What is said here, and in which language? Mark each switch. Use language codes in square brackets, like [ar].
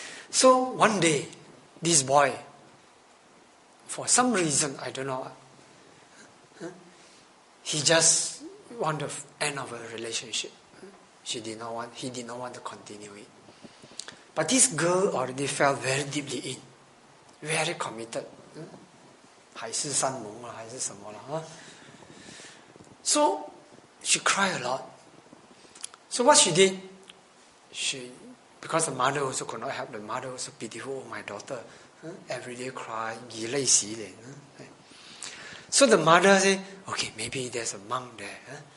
[en] So one day, this boy, for some reason, I don't know, he just wanted the end of a relationship. He did not want to continue it. But this girl already fell very deeply in, very committed. [zh] 还是山盟啊，还是什么了？ [en] So she cried a lot. So what she did, because the mother also could not help, the mother also pitiful, oh, my daughter, every day cry, [zh] 以泪洗脸, [en] so the mother said, okay, maybe there's a monk there.